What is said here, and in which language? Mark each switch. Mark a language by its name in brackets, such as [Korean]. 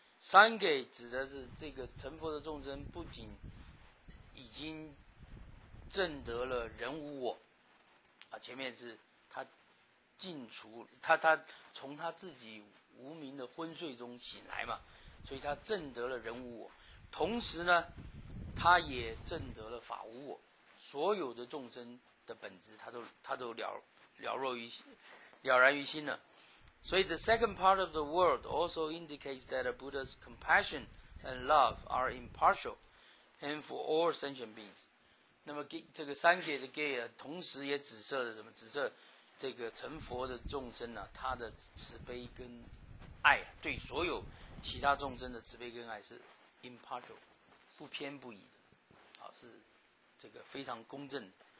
[Chinese] 三给指的是这个成佛的众生不仅已经证得了人无我啊，前面是他净除他从他自己无名的昏睡中醒来嘛，所以他证得了人无我，同时呢他也证得了法无我，所有的众生的本质他都了然于心了。 [English] So the second part of the word also indicates that a Buddha's compassion and love are impartial and for all sentient beings. [Chinese] 那么给这个三给的给啊，同时也指涉了什么？指涉这个成佛的众生啊，他的慈悲跟爱啊，对所有其他众生的慈悲跟爱是 impartial， 不偏不倚的，啊，是这个非常公正的。